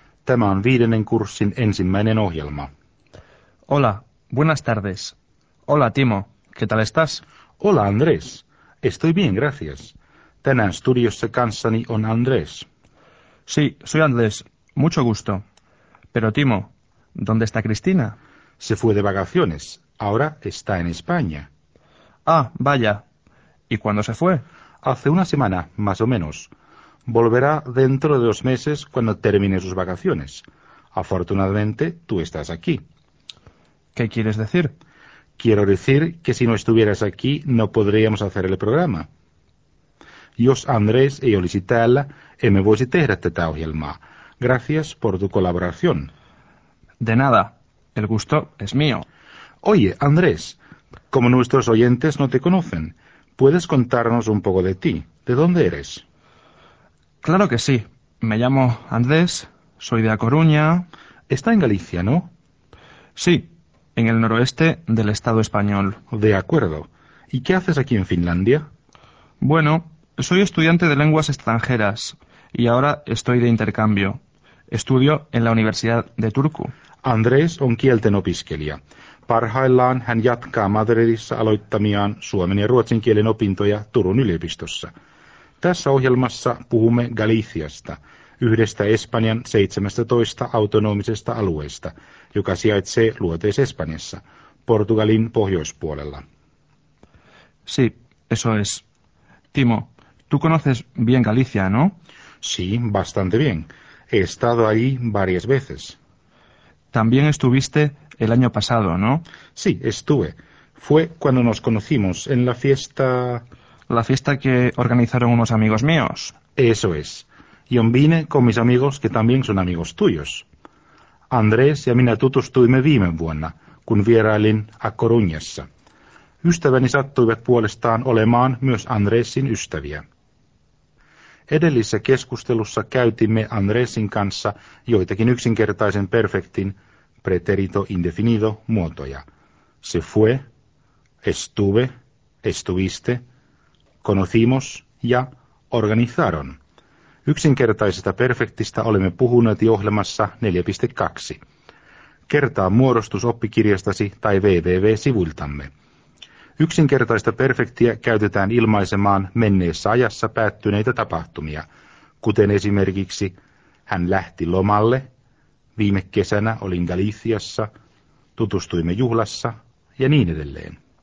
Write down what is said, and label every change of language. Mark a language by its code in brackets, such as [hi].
[fi] Tämä on viidennen kurssin ensimmäinen ohjelma. [es] Hola, buenas tardes. Hola Timo, ¿qué tal estás? Hola Andrés. Estoy bien, gracias. [fi] Tänään studiossa kanssani on Andrés. [es] Sí, soy Andrés. Mucho gusto. Pero Timo, ¿dónde está Cristina? Se fue de vacaciones. Ahora está en España. Ah, vaya. ¿Y cuándo se fue? Hace una semana, más o menos. Volverá dentro de 2 meses cuando termine sus vacaciones. Afortunadamente, tú estás aquí. ¿Qué quieres decir? Quiero decir que si no estuvieras aquí, no podríamos hacer el programa. [fi] Jos Andrés ei olisi täällä, emme voisi tehdä tätä ohjelmaa. [es] Gracias por tu colaboración. De nada. El gusto es mío. Oye, Andrés, como nuestros oyentes no te conocen, ¿puedes contarnos un poco de ti? ¿De dónde eres? Claro que sí. Me llamo Andrés, soy de A Coruña. Está en Galicia, ¿no? Sí, en el noroeste del Estado español. De acuerdo. ¿Y qué haces aquí en Finlandia? Bueno, soy estudiante de lenguas extranjeras y ahora estoy de intercambio. Estudio en la Universidad de Turku. Andrés on kielten opiskelija. Parhaillaan hän jatkaa Madridissa aloittamiaan suomen ja ruotsin kielen opintoja Turun yliopistossa. Tässä ohjelmassa puhumme Galiciasta, yhdestä Espanjan 17 autonomisesta alueesta, joka sijaitsee Luoteis-Espanjassa, Portugalin pohjoispuolella. Sí, eso es. Timo, tú conoces bien Galicia, ¿no? Sí, bastante bien. He estado allí varias veces. También estuviste el año pasado, ¿no? Sí, estuve. Fue cuando nos conocimos en la fiesta... La fiesta que organizaron unos amigos míos. Eso es. Yo vine con mis amigos que también son amigos tuyos. [fi] Andrés ja minä tutustuimme viime vuonna, kun vierailin A Coruñassa. Ystäväni sattuivat puolestaan olemaan myös Andrésin ystäviä. Edellisessä keskustelussa käytimme Andrésin kanssa joitakin yksinkertaisen perfektin preterito indefinido muotoja. [es] Se fue, estuve, estuviste, conocimos [fi] ja [es] organizaron. [fi] Yksinkertaisesta perfektista olemme puhuneet ohjelmassa 4.2. Kertaa muodostus oppikirjastasi tai www-sivuiltamme. Yksinkertaista perfektiä käytetään ilmaisemaan menneessä ajassa päättyneitä tapahtumia, kuten esimerkiksi hän lähti lomalle, viime kesänä olin Galiciassa, tutustuimme juhlassa ja niin edelleen.